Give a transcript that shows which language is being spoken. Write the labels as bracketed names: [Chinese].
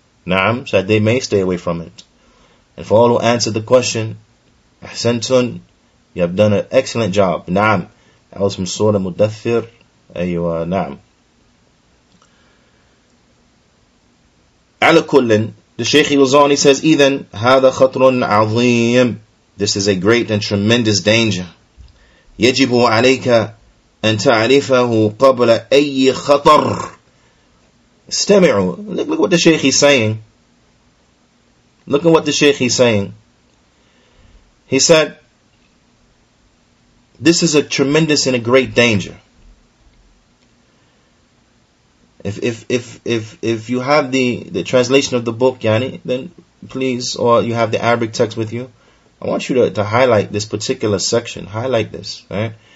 [English] Naam, so that they may stay away from it. And for all who answered the question, Ahsantun, you have done an excellent job. Naam. That was from Surah Mudathir. Ayyuha, naam. Ala kullin, the Shaykh he was on, he says, Ethan, [Arabic] هذا خطر عظيم. [English] This is a great and tremendous danger. [Arabic] يجب عليك أن تعرفه قبل أي خطر. استمعوا. [English] Look what the Shaykh he's saying. Look at what the Shaykh he's saying. He said, this is a tremendous and a great danger. If you have the translation of the book, Yani, then please, or you have the Arabic text with you, I want you to highlight this particular section. Highlight this, right?